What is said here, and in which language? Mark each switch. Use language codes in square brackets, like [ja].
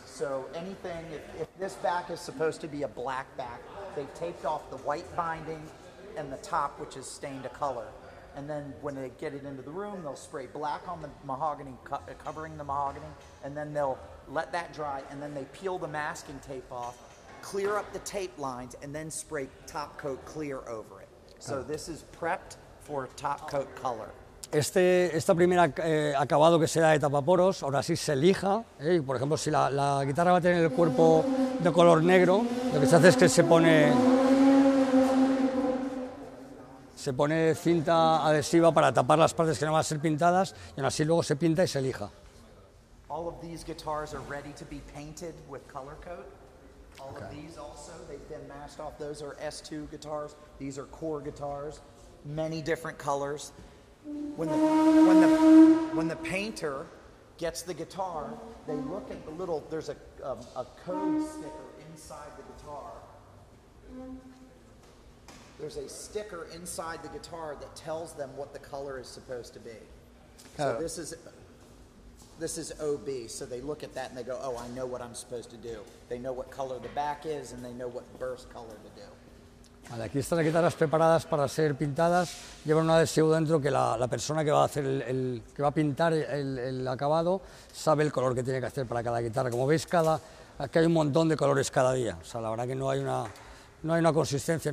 [en] So anything, if this back is supposed to be a black back, they've taped off the white binding and the top, which is stained a color. And then when they get it into the room, they'll spray black on the mahogany, covering the mahogany, and then they'll let that dry, and then they peel the masking tape off, clear up the tape lines, and then spray top coat clear over it. So oh. this is prepped. For top coat color. [es] Esta primera acabado que será de tapaporos, ahora sí se lija. Por ejemplo, si la guitarra va a tener el cuerpo de color negro, lo que se hace es que se pone cinta adhesiva para tapar las partes que no van a ser pintadas, y aún así luego se pinta y se lija. [en] All of these guitars are ready to be painted with color coat. All okay. of these also, they've been masked off. Those are S2 guitars. These are core guitars. Many different colors. When the painter gets the guitar, they look at the little, there's a code sticker inside the guitar. There's a sticker inside the guitar that tells them what the color is supposed to be. So this is OB, so they look at that and they go, oh, I know what I'm supposed to do. They know what color the back is and they know what burst color to do. [es] Vale, aquí están las guitarras preparadas para ser pintadas. Llevan un adhesivo dentro que la persona que va a hacer que va a pintar el acabado sabe el color que tiene que hacer para cada guitarra. Como veis, aquí hay un montón de colores cada día. O sea, la verdad que no hay una consistencia.